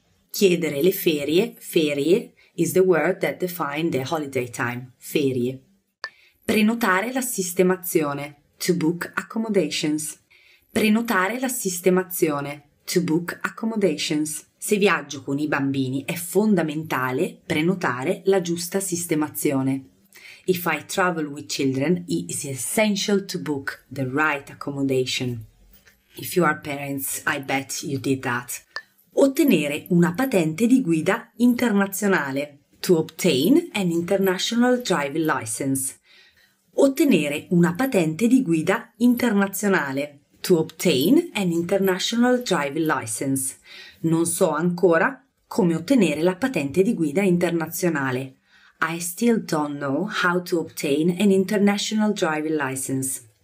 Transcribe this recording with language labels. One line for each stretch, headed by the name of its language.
Italian: Chiedere le ferie,
English: ferie, is the word that defines the holiday time, ferie.
Italian: Prenotare la sistemazione,
English: to book accommodations.
Italian: Prenotare la sistemazione,
English: to book accommodations.
Italian: Se viaggio con i bambini è fondamentale prenotare la giusta sistemazione.
English: If I travel with children, it is essential to book the right accommodation. If you are parents, I bet you did that.
Italian: Ottenere una patente di guida internazionale.
English: To obtain an international driving license.
Italian: Ottenere una patente di guida internazionale.
English: To obtain an international driving license.
Italian: Non so ancora come ottenere la patente di guida internazionale.
English: I still don't know how to obtain an international driving license.